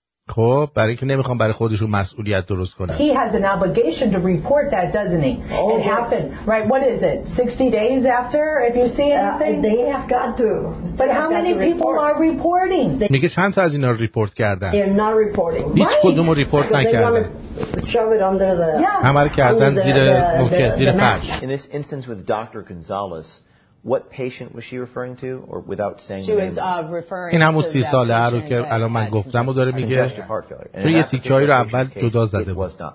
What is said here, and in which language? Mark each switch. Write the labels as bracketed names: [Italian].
[Persian] خب برای اینکه نمیخوام برای خودشون مسئولیت درست کنم. [English] He has an obligation to report that, doesn't he? Oh, it happened. Right, what is it? 60 days after if you see anything? They have got to. But how many people are reporting? [Persian] میگه چند تا از اینا رو ریپورت کردن. [English] They're not reporting. [Persian] هیچ کدوم رو ریپورت نکردن. [English] Shove it under the [Persian] همه رو کردن زیر موکه، زیر فرش. [English] In this instance with Dr. Gonzalez, what patient was she referring to or without saying she was referring to [Persian] سی ساله رو که الان من گفتم و داره میگه توی یه تیکایی رو اول جدا زده بود.